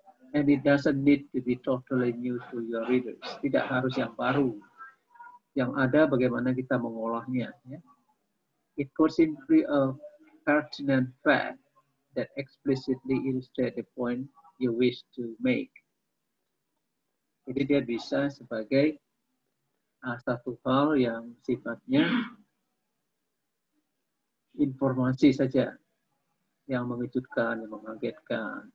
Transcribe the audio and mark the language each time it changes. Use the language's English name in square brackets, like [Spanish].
[English] And it doesn't need to be totally new to your readers. [Indonesian] Tidak harus yang baru. Yang ada bagaimana kita mengolahnya. Ya. [English] It could simply a pertinent fact that explicitly illustrate the point you wish to make. [Indonesian] Jadi dia bisa sebagai satu hal yang sifatnya informasi saja yang mengejutkan, yang mengagetkan.